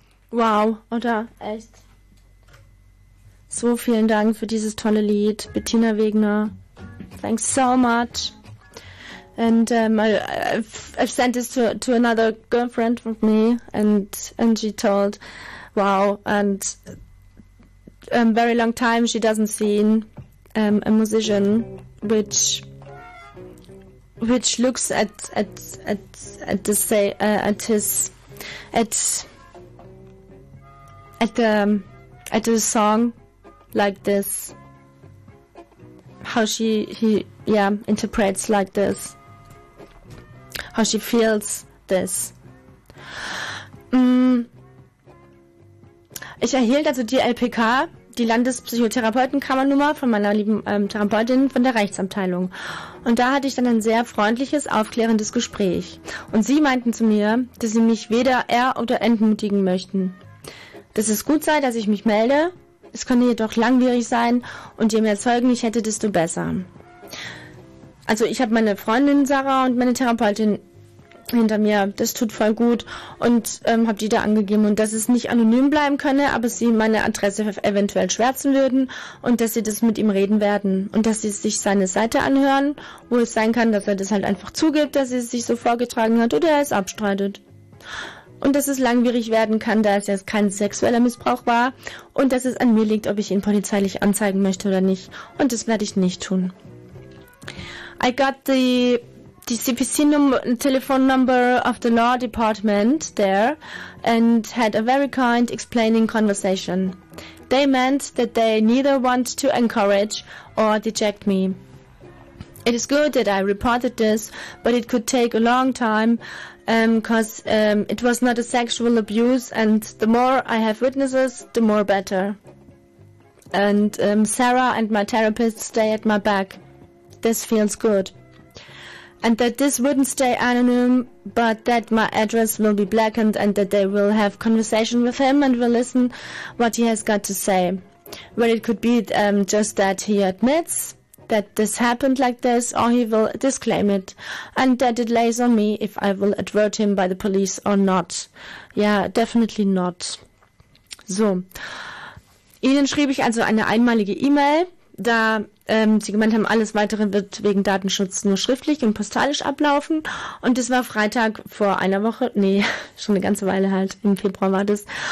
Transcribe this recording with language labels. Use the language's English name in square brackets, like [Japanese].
[German] Wow, oder? Echt? So, vielen Dank für dieses tolle Lied, Bettina Wegner. [English] Thanks so much. And I've sent this to another girlfriend of me, and she told, wow, and very long time she doesn't seen a musician which looks at the say at his at the song like this. How he interprets like this, how she feels this. [German] Ich erhielt also die LPK, die Landespsychotherapeutenkammernummer von meiner lieben Therapeutin von der Rechtsabteilung. Und da hatte ich dann ein sehr freundliches, aufklärendes Gespräch. Und sie meinten zu mir, dass sie mich weder er- oder entmutigen möchten. Dass es gut sei, dass ich mich melde. Es könnte jedoch langwierig sein und je mehr Zeugen ich hätte, desto besser. Also ich habe meine Freundin Sarah und meine Therapeutin hinter mir. Das tut voll gut und habe die da angegeben. Und dass es nicht anonym bleiben könne, aber sie meine Adresse eventuell schwärzen würden und dass sie das mit ihm reden werden. Und dass sie sich seine Seite anhören, wo es sein kann, dass er das halt einfach zugibt, dass sie es sich so vorgetragen hat oder er es abstreitet. Und dass es langwierig werden kann, da es jetzt kein sexueller Missbrauch war. Und dass es an mir liegt, ob ich ihn polizeilich anzeigen möchte oder nicht. Und das werde ich nicht tun. [English] I got the CPC telephone number of the law department there and had a very kind explaining conversation. They meant that they neither want to encourage or deject me. It is good that I reported this, but it could take a long time because it was not a sexual abuse, and the more I have witnesses, the more better. And Sarah and my therapist stay at my back. This feels good. And that this wouldn't stay anonymous, but that my address will be blackened and that they will have conversation with him and will listen what he has got to say. Well, it could be just that he admits that this happened like this, or he will disclaim it, and that it lays on me if I will advert him by the police or not. Yeah, definitely not. [German] So, Ihnen schrieb ich also eine einmalige E-Mail, da Sie gemeint haben, alles Weitere wird wegen Datenschutz nur schriftlich und postalisch ablaufen. Und das war Freitag vor einer Woche, schon eine ganze Weile halt, im Februar war das.